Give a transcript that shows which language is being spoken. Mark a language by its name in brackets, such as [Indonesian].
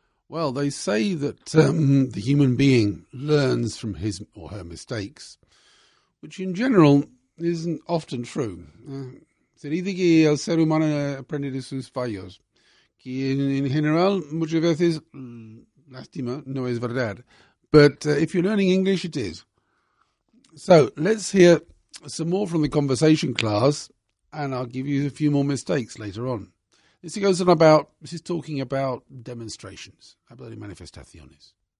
[English] Well, they say that the human being learns from his or her mistakes, which in general isn't often true. [Spanish] Se dice que el ser humano aprende de sus fallos, que en general muchas veces, lástima, no es verdad. [English] But if you're learning English, it is. So let's hear some more from the conversation class, and I'll give you a few more mistakes later on. This goes on about, this is talking about demonstrations, about manifestaciones.